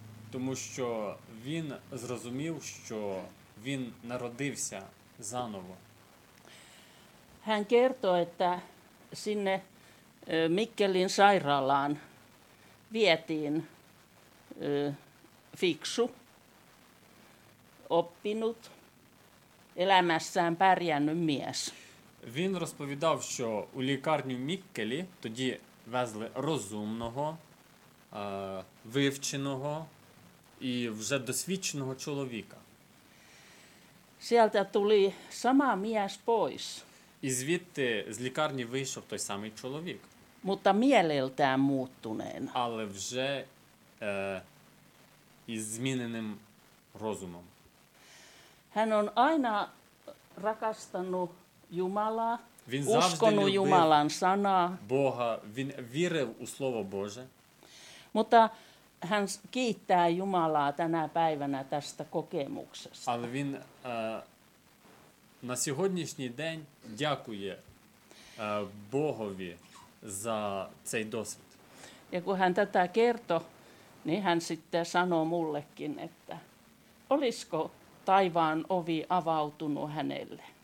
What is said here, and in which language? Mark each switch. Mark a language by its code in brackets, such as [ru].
[uk] Тому що він зрозумів, що він народився заново. [fi] Hän kertoo, että sinne Mikkelin sairaalaan vietiin fiksu, oppinut, elämässään pärjännyt mies. [uk] Він розповідав, що у лікарню Міккелі тоді везли розумного, вивченого і вже досвідченого чоловіка. [fi] Sieltä tuli sama mies pois. [uk] І звідти з лікарні вийшов той самий чоловік. [fi] Mutta mieleltään muuttuneen. [uk] Але вже із зміненим розумом. [fi] Hän on aina rakastanut Jumalaa, uskonut Jumalan sanaa. [uk] Бога, він вірив у Слово Боже. [fi] Mutta hän kiittää Jumalaa tänä päivänä tästä kokemuksesta. [uk] Але він на сьогоднішній день дякує Богові за цей досвід. [fi] Ja kun hän tätä kertoi, niin hän sitten sanoi mullekin, että olisiko taivaan ovi avautunut hänelle.